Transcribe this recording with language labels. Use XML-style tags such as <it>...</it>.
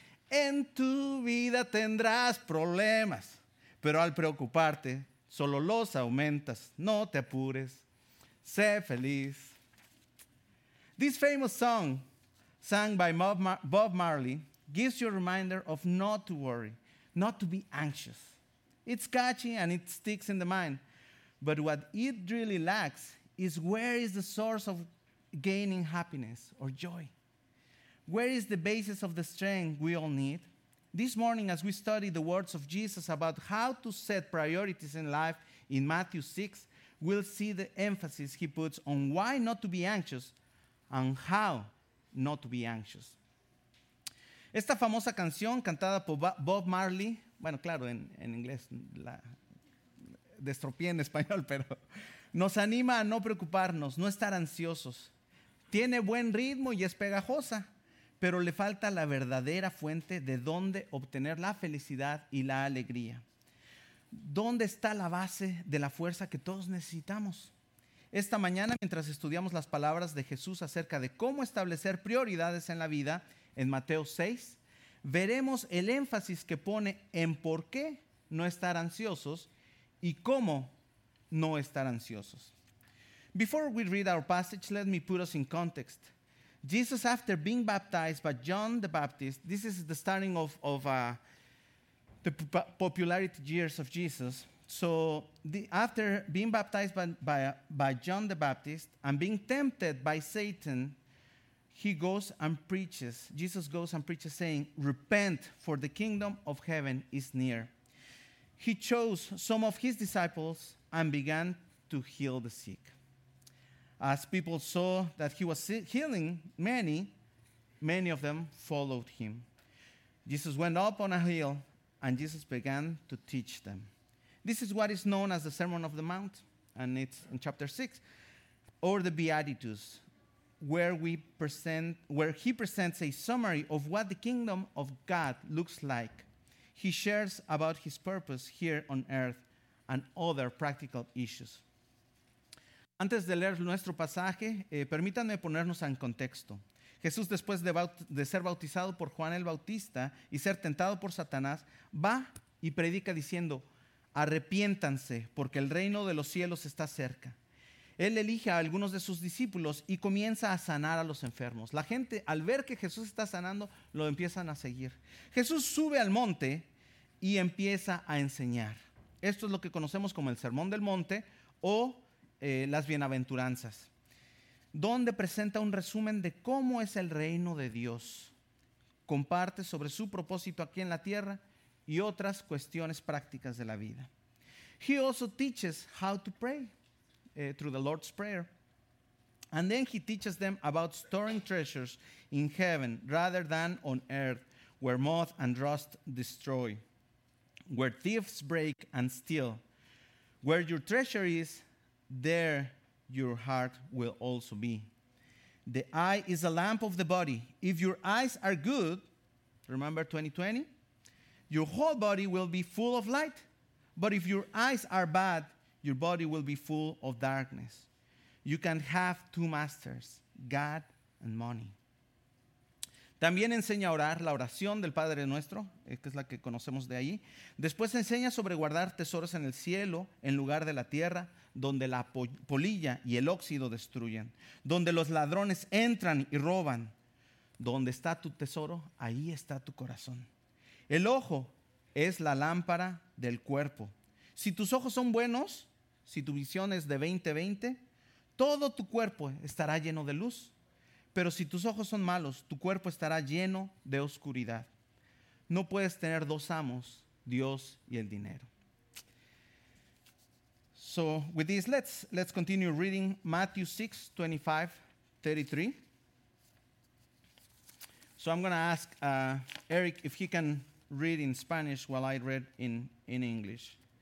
<es>En tu vida tendrás problemas, pero al preocuparte, solo los aumentas. No te apures. Sé feliz.</es> <en>This famous song, sung by Bob Marley, gives you a reminder of not to worry, not to be anxious. It's catchy and it sticks in the mind, but what it really lacks is where is the source of gaining happiness or joy? Where is the basis of the strength we all need? This morning, as we study the words of Jesus about how to set priorities in life in Matthew 6, we'll see the emphasis he puts on why not to be anxious and how not to be anxious.</en> <es>Esta famosa canción cantada por Bob Marley, bueno, claro, en inglés, la destropié en español, pero nos anima a no preocuparnos, no estar ansiosos. Tiene buen ritmo y es pegajosa, pero le falta la verdadera fuente de dónde obtener la felicidad y la alegría. ¿Dónde está la base de la fuerza que todos necesitamos? Esta mañana, mientras estudiamos las palabras de Jesús acerca de cómo establecer prioridades en la vida, en Mateo 6, veremos el énfasis que pone en por qué no estar ansiosos y cómo no estar ansiosos.</es> <en>Before we read our passage, let me put us in context. Jesus, after being baptized by John the Baptist, this is the starting of the popularity years of Jesus. So after being baptized by John the Baptist and being tempted by Satan, Jesus goes and preaches saying, "Repent, for the kingdom of heaven is near." He chose some of his disciples and began to heal the sick. As people saw that he was healing many, many of them followed him. Jesus went up on a hill and Jesus began to teach them. This is what is known as the Sermon of the Mount, and it's in chapter 6, or the Beatitudes, where he presents a summary of what the kingdom of God looks like. He shares about his purpose here on earth and other practical issues.</en> <es>Antes de leer nuestro pasaje, permítanme ponernos en contexto. Jesús, después de ser bautizado por Juan el Bautista y ser tentado por Satanás, va y predica diciendo: "Arrepiéntanse, porque el reino de los cielos está cerca." Él elige a algunos de sus discípulos y comienza a sanar a los enfermos. La gente, al ver que Jesús está sanando, lo empiezan a seguir. Jesús sube al monte y empieza a enseñar. Esto es lo que conocemos como el Sermón del Monte o las Bienaventuranzas, donde presenta un resumen de cómo es el reino de Dios. Comparte sobre su propósito aquí en la tierra y otras cuestiones prácticas de la vida.</es> <en>He also teaches how to pray through the Lord's Prayer. And then he teaches them about storing treasures in heaven rather than on earth, where moth and rust destroy, where thieves break and steal. Where your treasure is, there your heart will also be. The eye is a lamp of the body. If your eyes are good, remember 2020, your whole body will be full of light. But if your eyes are bad, your body will be full of darkness. You can have two masters, God and money.</en> <es>También enseña a orar, la oración del Padre Nuestro, que es la que conocemos de ahí. Después enseña sobre guardar tesoros en el cielo en lugar de la tierra, donde la polilla y el óxido destruyen, donde los ladrones entran y roban. Donde está tu tesoro, ahí está tu corazón. El ojo es la lámpara del cuerpo. Si tus ojos son buenos, si tu visión es de 20-20, todo tu cuerpo estará lleno de luz. Pero si tus ojos son malos, tu cuerpo estará lleno de oscuridad. No puedes tener dos amos, Dios y el dinero.</es> <en>So with this, let's continue reading Matthew 6, 25-33. So I'm going to ask Eric if he can read in Spanish while I read in English.</en>